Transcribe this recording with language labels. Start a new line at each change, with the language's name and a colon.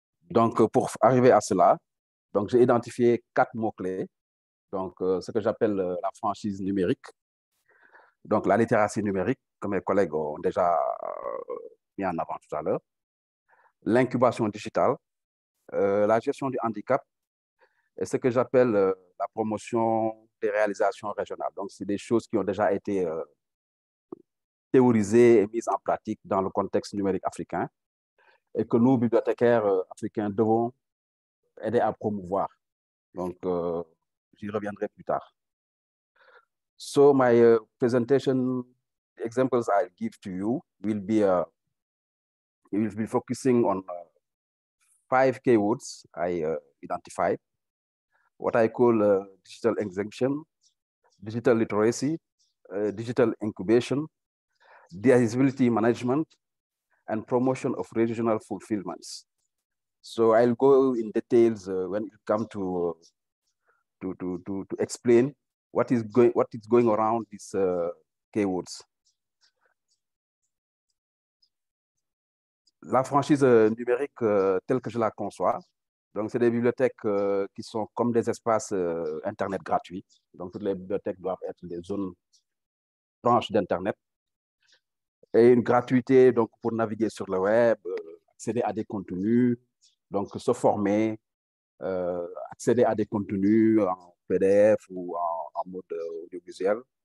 French: Donc pour arriver à cela, donc j'ai identifié 4 mots-clés, donc ce que j'appelle la franchise numérique, donc la littératie numérique, que mes collègues ont déjà mis en avant tout à l'heure, l'incubation digitale, la gestion du handicap, et ce que j'appelle la promotion des réalisations régionales. Donc, c'est des choses qui ont déjà été théorisées et mises en pratique dans le contexte numérique africain et que nous, bibliothécaires africains, devons aider à promouvoir. Donc, j'y reviendrai plus tard.
English: So, my presentation, the examples I'll give to you will be focusing on 5 keywords I identified. What I call digital exemption, digital literacy, digital incubation, disability management, and promotion of regional fulfillments. So I'll go in details when it comes to explain what is going around these keywords.
French: La franchise numérique telle que je la conçois. Donc, c'est des bibliothèques qui sont comme des espaces Internet gratuits. Donc, toutes les bibliothèques doivent être des zones franches d'Internet. Et une gratuité donc, pour naviguer sur le web, accéder à des contenus, donc se former, accéder à des contenus en PDF ou en mode audiovisuel.